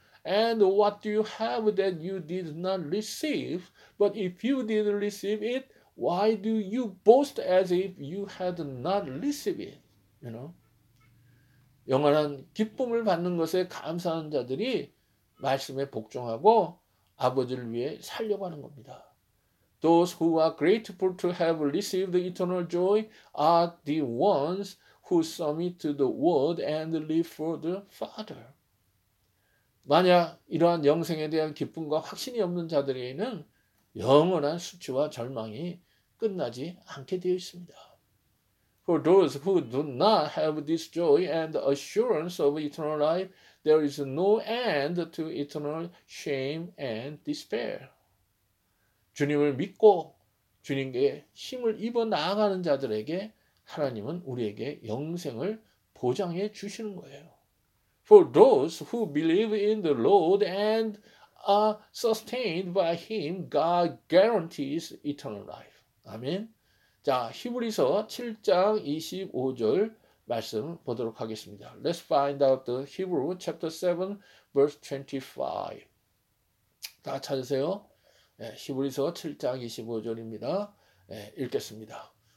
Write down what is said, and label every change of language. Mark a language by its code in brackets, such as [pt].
[en] And what do you have that you did not receive? But if you did receive it, why do you boast as if you had not received it? You know? [ko] 영원한 기쁨을 받는 것에 감사한 자들이 말씀에 복종하고 아버지를 위해 살려고 하는 겁니다. [en] Those who are grateful to have received the eternal joy are the ones who submit to the word and live for the Father. [ko] 만약 이러한 영생에 대한 기쁨과 확신이 없는 자들에게는 영원한 수치와 절망이 끝나지 않게 되어 있습니다. [en] For those who do not have this joy and assurance of eternal life, there is no end to eternal shame and despair. [ko] 주님을 믿고 주님께 힘을 입어 나아가는 자들에게 하나님은 우리에게 영생을 보장해 주시는 거예요. [en] For those who believe in the Lord and are sustained by Him, God guarantees eternal life. 아멘. [ko] 자, 히브리서 7장 25절 말씀 보도록 하겠습니다. [en] Let's find out the Hebrew chapter 7, verse 25. [ko] 다 찾으세요. 예, 히브리서 7장 25절입니다. 예, 읽겠습니다.